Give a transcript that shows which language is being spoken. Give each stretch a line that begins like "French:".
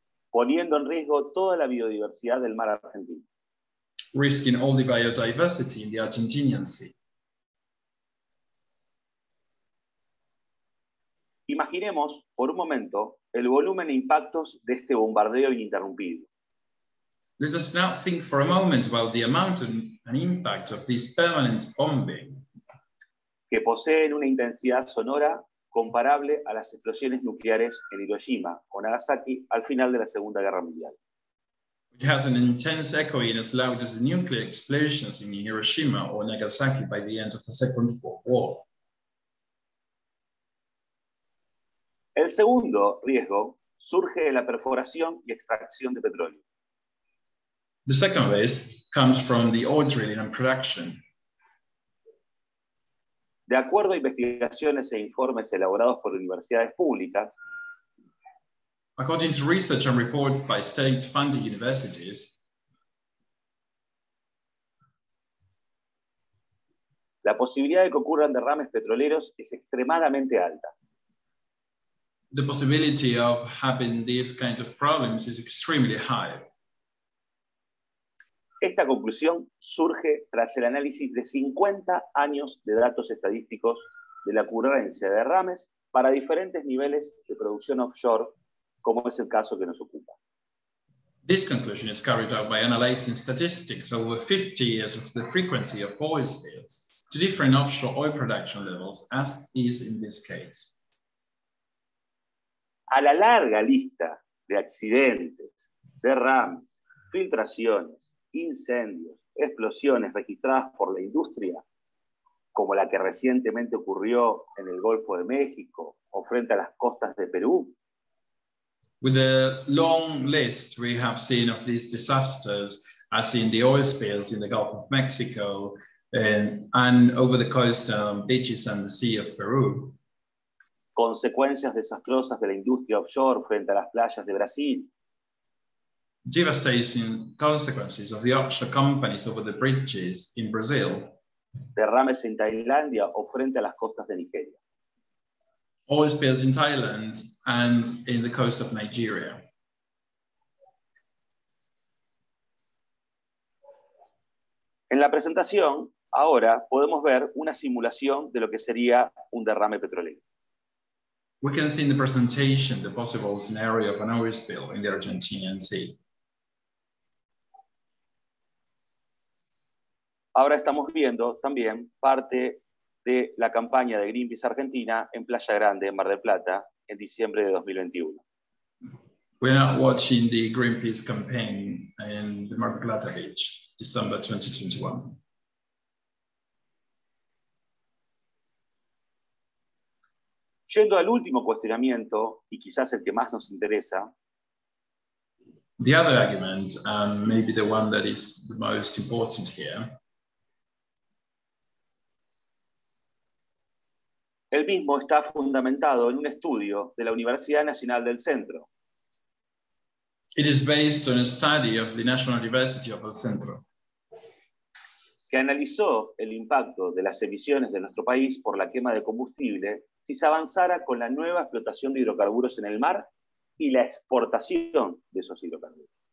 Spanish: Poniendo en riesgo toda la biodiversidad del mar argentino.
English: Risking all the biodiversity in the Argentinian Sea.
Spanish: Imaginemos por un momento el volumen e impactos de este bombardeo ininterrumpido.
English: Let us now think for a moment about the amount and impact of this permanent bombing.
Spanish: Que poseen una intensidad sonora comparable a las explosiones nucleares en Hiroshima o Nagasaki al final de la Segunda Guerra Mundial.
English: It has an intense echoing as loud as the nuclear explosions in Hiroshima or Nagasaki by the end of the Second World War.
Spanish: El segundo riesgo surge de la perforación y extracción de petróleo.
English: The second risk comes from the oil drilling and production.
Spanish: De acuerdo a investigaciones e informes elaborados por universidades públicas,
English: according to research and reports by state-funded universities,
Spanish: la posibilidad de que ocurran derrames petroleros es extremadamente alta.
English: The possibility of having these kinds of problems is extremely high.
Spanish: Esta conclusión surge tras el análisis de 50 años de datos estadísticos de la ocurrencia de derrames para diferentes niveles de producción offshore, como es el caso que nos ocupa.
English: This conclusion is carried out by analyzing statistics over 50 years of the frequency of oil spills to different offshore oil production levels, as is in this case.
Spanish: A la larga lista de accidentes, derrames, filtraciones, incendios, explosiones registradas por la industria, como la que recientemente ocurrió en el Golfo de México o frente a las costas de Perú,
English: with the long list we have seen of these disasters, as in the oil spills in the Gulf of Mexico and over the coastal beaches and the sea of Peru.
Spanish: Consecuencias desastrosas de la industria offshore frente a las playas de Brasil.
English: Devastating consequences of the offshore companies over the beaches in Brazil.
Spanish: Derrames en Tailandia o frente a las costas de Nigeria.
English: Oil spills in Thailand and in the coast of Nigeria.
Spanish: En la presentación, ahora podemos ver una simulación de lo que sería un derrame petrolero.
English: We can see in the presentation the possible scenario of an oil spill in the Argentinian Sea.
Spanish: Ahora estamos viendo también parte de la campaña de Greenpeace Argentina en Playa Grande, en Mar del Plata, en diciembre de 2021.
English: We are watching the Greenpeace campaign in the Mar del Plata beach, December 2021.
Spanish: Yendo al último cuestionamiento, y quizás el que más nos interesa.
English: The other argument, maybe the one that is the most important here.
Spanish: El mismo está fundamentado en un estudio de la Universidad Nacional del Centro.
English: It is based on a study of the National University of El Centro.
Spanish: Que analizó el impacto de las emisiones de nuestro país por la quema de combustible si se avanzara con la nueva explotación de hidrocarburos en el mar y la exportación de esos hidrocarburos.